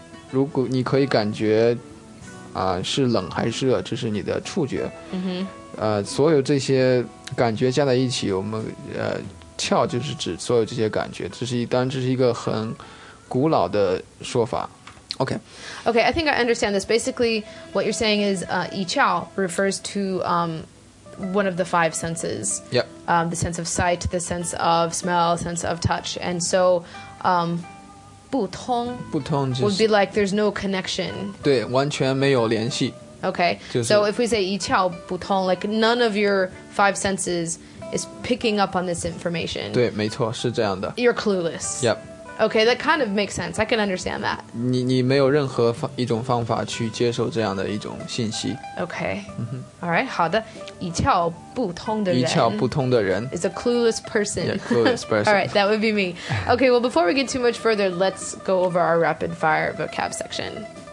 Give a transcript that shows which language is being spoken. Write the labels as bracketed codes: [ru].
[zh] 如果你可以感觉是冷还是热，这是你的触觉。所有这些感觉加在一起，我们窍就是指所有这些感觉，这是一个很古老的说法。 [en] Okay, I think I understand this. Basically, what you're saying is, 一窍 refers to one of the five senses. Yep. The sense of sight, the sense of smell, sense of touch, and so, 不通 [zh] 就是、 [en] would be like there's no connection. [zh] 对，完全没有联系。 [en] Okay.、 [zh] 就是、 [en] so if we say 一窍不通, like none of your five senses. Is picking up on this information. [zh] 对，没错，是这样的。 [en] You're clueless. Yep. Okay, that kind of makes sense. I can understand that. [zh] 你没有任何一种方法去接受这样的一种信息。 [en] Okay. All right, [zh] 好的。一窍不通的人。一窍不通的人。 [en] Is a clueless person. Yeah, clueless person. All right, that would be me. Okay, well, before we get too much further, let's go over our rapid fire vocab section.